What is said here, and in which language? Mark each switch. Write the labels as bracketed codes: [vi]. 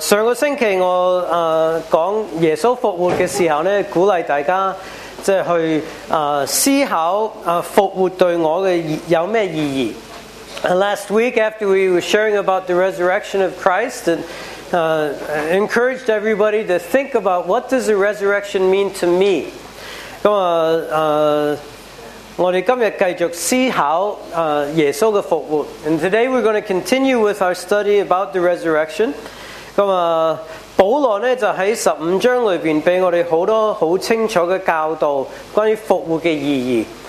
[zh] 上个星期我讲耶稣复活的时候呢，鼓励大家即去思考复活对我的有什么意义。 [en] Last week, after we were sharing about the resurrection of Christ, and encouraged everybody to think about what does the resurrection mean to me. [zh] 我们今天继续思考耶稣的复活。 [en] And today we're going to continue with our study about the resurrection. [zh] 保罗呢就在十五章里面给我们很多很清楚的教导关于复活的意义。